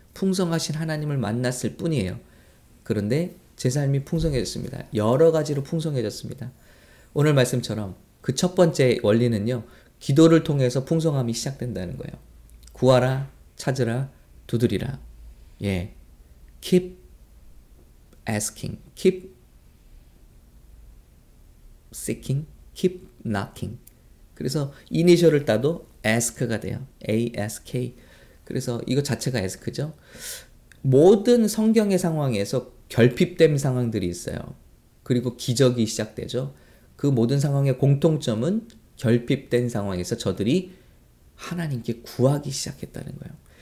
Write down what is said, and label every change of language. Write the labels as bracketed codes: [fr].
[ko] 풍성하신 하나님을 만났을 뿐이에요. 그런데 제 삶이 풍성해졌습니다. 여러 가지로 풍성해졌습니다. 오늘 말씀처럼 그첫 번째 원리는요, 기도를 통해서 풍성함이 시작된다는 거예요. 구하라, 찾으라, 두드리라. 예. [en] Keep asking, keep seeking, keep knocking. [ko] 그래서 이니셜을 따도 ask가 돼요. [en] ASK. [ko] 그래서 이거 자체가 ask죠. 모든 성경의 상황에서 결핍된 상황들이 있어요. 그리고 기적이 시작되죠. 그 모든 상황의 공통점은 결핍된 상황에서 저들이 하나님께 구하기 시작했다는 거예요.